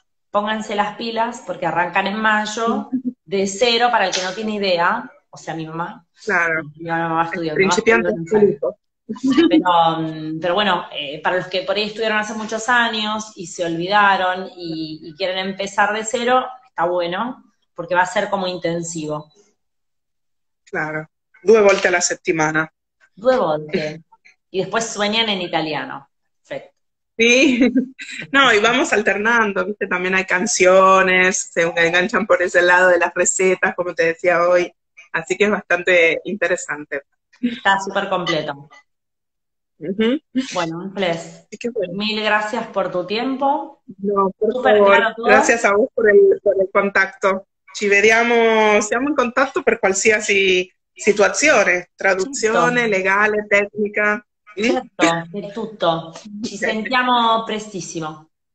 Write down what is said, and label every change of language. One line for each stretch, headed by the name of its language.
Spanish: pónganse las pilas porque arrancan en mayo de cero para el que no tiene idea, o sea, mi mamá. Claro, Mi mamá estudió, mi mamá estudió principiante nunca. absoluto. Pero bueno, para los que por ahí estuvieron hace muchos años y se olvidaron y quieren empezar de cero, está bueno porque va a ser como intensivo.
Italian: Claro, due volte alla settimana. Due volte.
Spanish: Y después sueñan en italiano. Perfecto. Sí, no, y Espectacular. vamos alternando, ¿viste? También hay canciones, se enganchan por ese lado de las recetas, como te decía hoy, así que es bastante interesante. Está súper completo. Bueno, Inglés, Es que bueno. mil gracias por tu tiempo. No, por Súper favor, claro todo. gracias a vos por el contacto. Si veíamos en contacto por cualquiera situaciones, Listo. traducciones legales, técnicas.
Italian: Cierto, de tutto. Ci sentiamo prestissimo.